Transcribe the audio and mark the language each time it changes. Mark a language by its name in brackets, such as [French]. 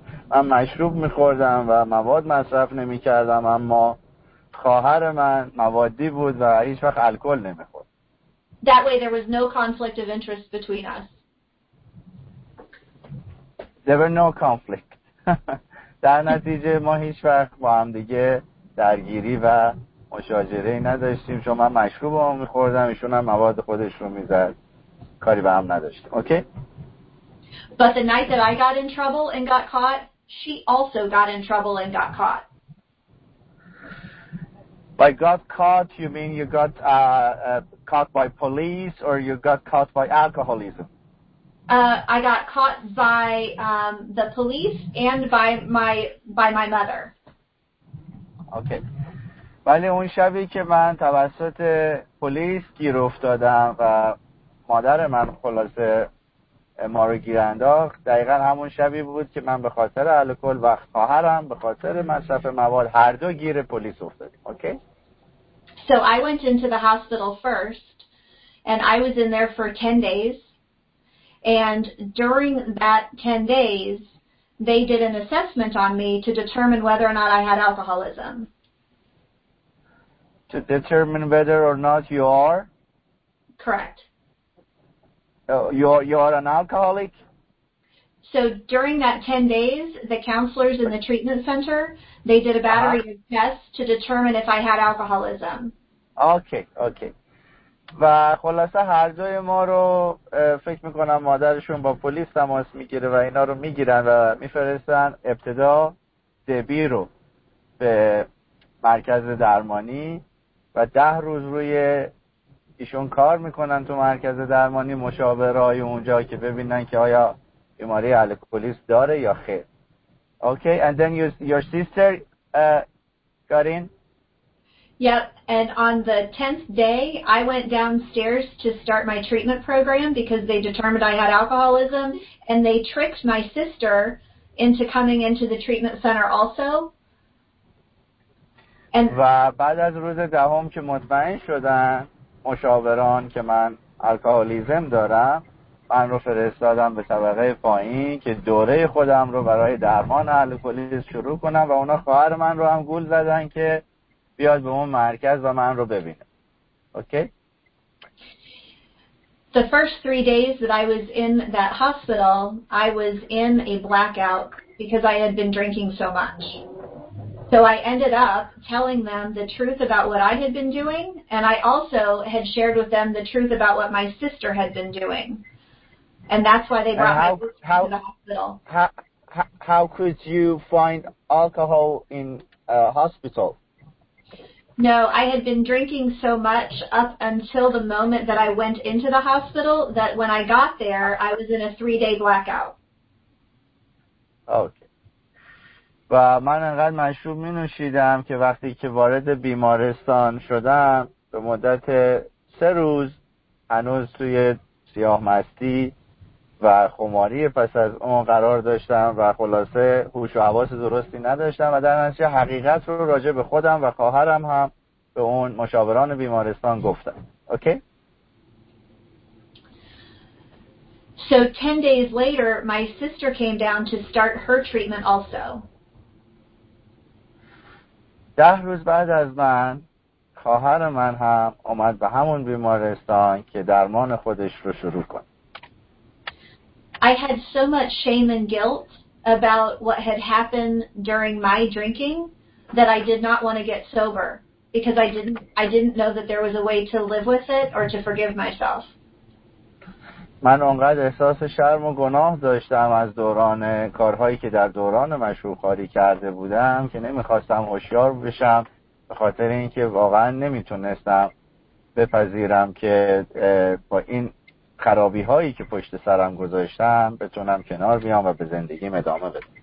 [Persian] من مشروب می‌خوردم و مواد مصرف نمی‌کردم، اما خواهر من موادی بود و هیچ وقت الکل نمی‌خورد. [English] That way there was no conflict of interest between us. There were no conflict. [Persian] در نتیجه ما هیچ وقت با هم دیگه درگیری و مشاجره ای نداشتیم، چون من مشروب رو میخوردم، ایشون هم مواد خودش رو میزد، کاری به هم نداشتیم. [English] Okay? But the night that I got in trouble and got caught, she also got in trouble and got caught. By got caught, you mean you got caught by police or you got caught by alcoholism? I got caught by the police and by my mother. Okay. [Persian] ولی اون شبی که من توسط پلیس گیر افتادم و مادر من خلاصه ما رو گیر انداخت، دقیقا همون شبی بود که من به خاطر الکل و خواهرم به خاطر مصرف مواد هر دو گیر پلیس افتادیم. [English] Okay? So I went into the hospital first and I was in there for 10 days and during that 10 days they did an assessment on me to determine whether or not I had alcoholism. To determine whether or not you are? Correct. You are an alcoholic? So during that 10 days, the counselors in the treatment center, they did a battery of tests to determine if I had alcoholism. Okay. [Persian] و خلاصه هر دوی ما رو فکر میکنم مادرشون با پلیس تماس میگیره و اینا رو میگیرن و میفرستن ابتدا دبی رو به مرکز درمانی و 10 روز روی ایشون کار میکنن تو مرکز درمانی مشاورهای اونجا که ببینن که آیا بیماری الکلیسم داره یا خیر. [English] Okay, and then your sister got in? Yep, and on the 10th day, I went downstairs to start my treatment program because they determined I had alcoholism, and they tricked my sister into coming into the treatment center also. [Persian] و بعد از روز دهم که مطمئن شدن مشاوران که من الکولیزم دارم، من رو فرستادم به طبقه پایین که دوره خودم رو برای درمان الکولیزم شروع کنم و اونا خواهر من رو هم گول زدن که بیاد به اون مرکز و من رو ببینه. [English] Okay? The first 3 days that I was in that hospital, I was in a blackout because I had been drinking so much. So I ended up telling them the truth about what I had been doing, and I also had shared with them the truth about what my sister had been doing. And that's why they brought me to the hospital. How could you find alcohol in a hospital? No, I had been drinking so much up until the moment that I went into the hospital that when I got there, I was in a 3-day blackout. Okay. [Persian] و من انقدر مشروب می نوشیدم که وقتی که وارد بیمارستان شدم به مدت 3 روز هنوز توی سیاه مستی و خماری پس از اون قرار داشتم و خلاصه هوش و حواس درستی نداشتم و در نتیجه حقیقت رو راجع به خودم و خواهرم هم به اون مشاوران بیمارستان گفتم. [English] Okay? So 10 days later my sister came down to start her treatment also. [Persian] 10 روز بعد از من خواهر من هم اومد به همون بیمارستان که درمان خودش رو شروع کنه. [English] I had so much shame and guilt about what had happened during my drinking that I did not want to get sober because I didn't know that there was a way to live with it or to forgive myself. [Persian] من اونقدر احساس شرم و گناه داشتم از دوران کارهایی که در دوران مشروب‌خواری کرده بودم که نمی‌خواستم هوشیار بشم به خاطر اینکه واقعا نمیتونستم بپذیرم که با این خرابی هایی که پشت سرم گذاشتم بتونم کنار بیام و به زندگیم ادامه بدم.